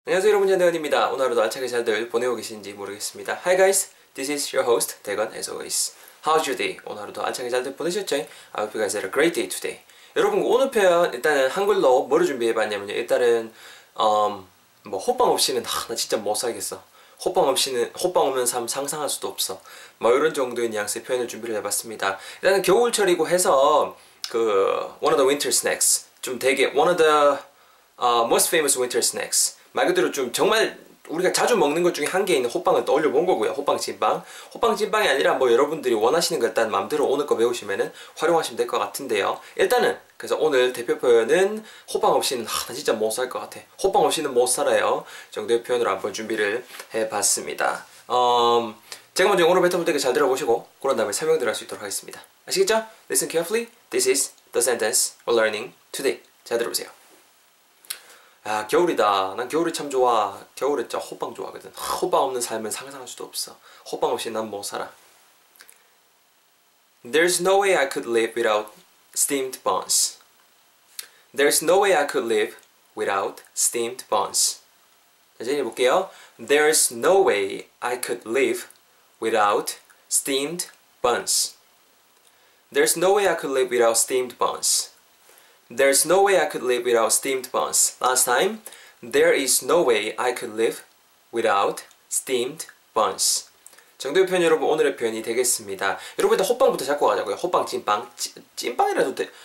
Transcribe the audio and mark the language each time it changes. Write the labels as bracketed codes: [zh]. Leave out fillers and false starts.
[ko] 안녕하세요 여러분, 대건입니다. 오늘 하루도 알차게 잘들 보내고 계신지 모르겠습니다. [en] Hi guys, this is your host, 대건, as always. How's your day? [ko] 오늘 하루도 알차게 잘들 보내셨죠? [en] I hope you guys had a great day today. [ko] 여러분, 오늘 표현 일단은 한글로 뭐를 준비해봤냐면요. 일단은 뭐 호빵 없이는 나 진짜 못 살겠어. 호빵 없는 삶 상상할 수도 없어. 뭐 이런 정도의 뉘앙스의 표현을 준비를 해봤습니다. 일단은 겨울철이고 해서 그 [en] one of the winter snacks [ko] 좀 되게 [en] one of the most famous winter snacks. [ko] 말 그대로 좀 정말 우리가 자주 먹는 것 중에 한 개인 호빵을 떠올려 본 거고요. 호빵찐빵. 호빵찐빵이 아니라 뭐 여러분들이 원하시는 거 일단 마음대로 오늘 거 배우시면은 활용하시면 될것 같은데요. 일단은 그래서 오늘 대표 표현은 호빵 없이는 나 진짜 못살것 같아. 호빵 없이는 못 살아요. 정도의 표현으로 한번 준비를 해 봤습니다. 제가 먼저 영어로 뱉어볼 테니까 잘 들어보시고 그런 다음에 설명드릴 수 있도록 하겠습니다. 아시겠죠? Listen carefully. This is the sentence we're learning today. 잘 들어보세요. 아, 겨울이다. 난 겨울이 참 좋아. 겨울에 진짜 호빵 좋아하거든. 호빵 없는 삶은 상상할 수도 없어. 호빵 없이 난못 살아. [en] There's no way I could live without steamed buns. There's no way I could live without steamed buns. [ko] 다시 해볼게요. [en] There's no way I could live without steamed buns. There's no way I could live without steamed buns. There's no way I could live without steamed buns. Last time, there is no way I could live without steamed buns. [ko] 정도의 표현 여러분, 오늘의 표현이 되겠습니다. 여러분, 일단 호빵부터 잡고 가자고요. 호빵, 찐빵. 찐빵이라도 돼.